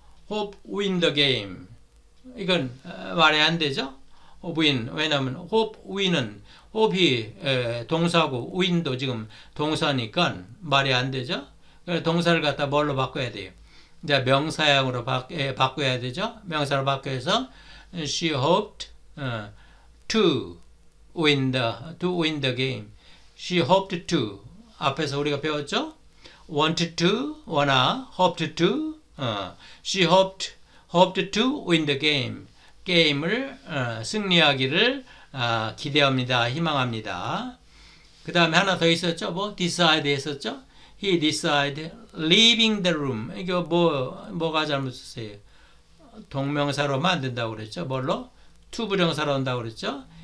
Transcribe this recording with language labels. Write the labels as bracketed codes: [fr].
[en] Hope win the game. [ko] 이건 말이 안 되죠. [en] Hope win. [ko] 왜냐하면 hope win은 hope이 동사고 win도 지금 동사니까 말이 안 되죠. 그래서 동사를 갖다 뭘로 바꿔야 돼요? 이제 명사형으로 바꿔야 되죠. 명사로 바꿔서 [en] she hoped to win the game. She hoped to. [ko] 앞에서 우리가 배웠죠? [en] Wanted to, wanna, hoped to. She hoped to win the game. [ko] 게임을 승리하기를 기대합니다. 희망합니다. 그 다음에 하나 더 있었죠? 뭐 decide 했었죠? [en] He decided leaving the room. [ko] 이게 뭐가 잘못했어요? 동명사로 만든다고 그랬죠? 뭘로? to 부정사로 한다고 그랬죠?